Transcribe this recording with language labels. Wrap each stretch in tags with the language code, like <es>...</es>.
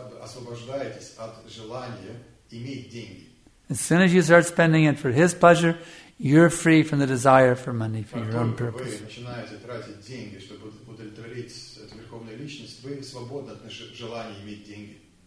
<ru>Освобождаетесь от желания иметь деньги.</ru> <en>As soon as you start spending it for his pleasure, You're free from the desire for money for your own purpose.</en> <ru>Вы начинаете тратить деньги, чтобы удовлетворить эту верховную личность. Вы свободны от желания иметь деньги.</ru>